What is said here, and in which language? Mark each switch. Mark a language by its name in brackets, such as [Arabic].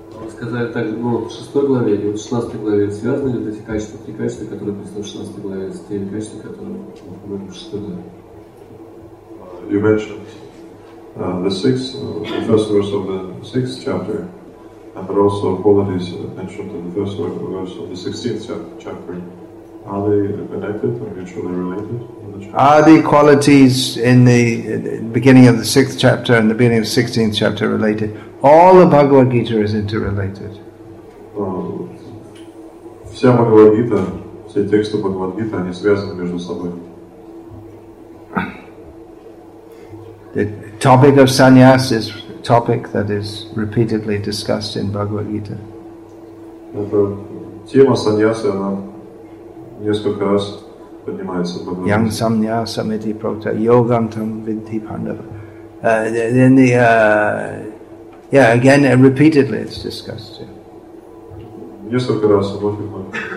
[Russian] Сказали так, ну, в 6 главе или в 16 главе связаны ли эти качества, три качества, которые описаны в 16 главе, с теми качествами, которые были в 6 главе? [English] You mentioned the first verse of the 6th chapter. And there are also qualities mentioned in the first verse of the 16th chapter. Are they connected or mutually related? Are the qualities in the beginning of the 6th chapter and the beginning of the 16th chapter related? All the Bhagavad Gita is interrelated. [Russian] Вся Бхагавад Гита, все тексты Бхагавад Гита, они связаны между собой. [English] The topic of sannyas is topic that is repeatedly discussed in Bhagavad Gita. [Russian] Тема саньясы, она несколько раз поднимается в Бхагавад Гита. [Sanskrit] Yang samnyasa miti prota yogam tam vidhi pandava. [English] Then repeatedly it's discussed. [Russian] Несколько раз вновь.